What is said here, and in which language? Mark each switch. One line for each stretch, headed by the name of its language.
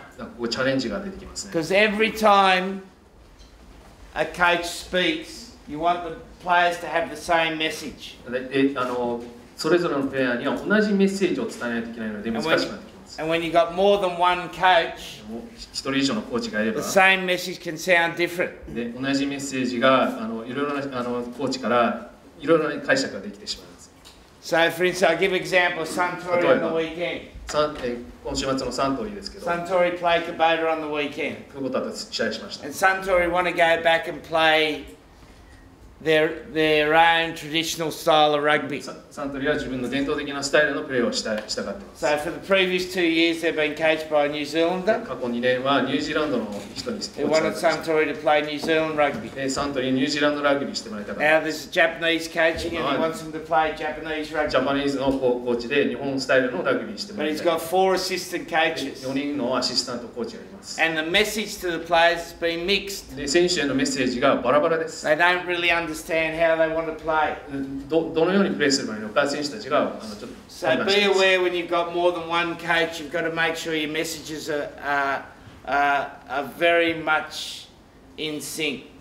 English: Because every time a coach speaks, you want the players to have the same message.
Japanese: それぞれのプレイヤーには同じメッセージを伝えないといけないので難しくなってきます。
English: And when you got more than one coach,
Japanese: 一人以上のコーチがいれば、
English: the same message can sound different.
Japanese: で、同じメッセージがいろいろなコーチからいろいろな解釈ができてしまいます。
English: So for instance, I'll give example of Suntory on the weekend.
Japanese: 今週末のサントリーですけど、
English: Suntory played Kubota on the weekend.
Japanese: クボタと試合しました。
English: And Suntory want to go back and play. Their own traditional style of rugby.
Japanese: Suntory は自分の伝統的なスタイルのプレーをしたかったです。
English: So for the previous 2 years, they've been coached by a New Zealander.
Japanese: 過去2年はニュージーランドの人に。
English: They wanted Suntory to play New Zealand rugby.
Japanese: Suntory ニュージーランドラグビーしてもらいたかった。
English: Now there's a Japanese coaching and he wants them to play Japanese rugby.
Japanese: ジャパニーズのコーチで日本スタイルのラグビーしてもらいたい。
English: But he's got four assistant coaches.
Japanese: 4人のアシスタントコーチがいます。
English: And the message to the players has been mixed.
Japanese: 選手へのメッセージがバラバラです。
English: They don't really understandUnderstand how they want to play.
Japanese: どのようにプレーするのか選手たちがちょっと判断します。
English: So be aware when you've got more than one coach, you've got to make sure your messages are very much in sync.